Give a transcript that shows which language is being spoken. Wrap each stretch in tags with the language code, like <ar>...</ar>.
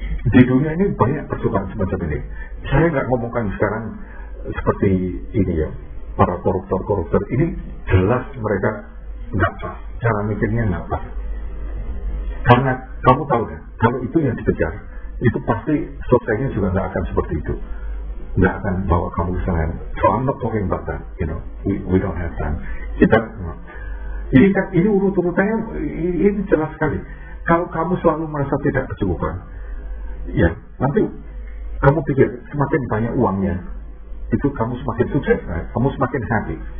<id>Di dunia ini banyak percobaan semacam ini. Saya nggak ngomongkan sekarang seperti ini ya, para koruptor-koruptor ini jelas mereka nggak pas, cara mikirnya nggak pas. Karena kamu tahu kan, kalau itu yang dikejar, itu pasti suksesnya juga nggak akan seperti itu, nggak akan bawa kamu ke sana.</id> <en>So I'm not talking about that, you know, we don't have time.</en> <id>Kita, jadi kan ini urut-urutannya ini jelas sekali. Kalau kamu selalu merasa tidak kecukupan, ya nanti kamu pikir semakin banyak uangnya, itu kamu semakin sukses, right? Kamu semakin happy.</id>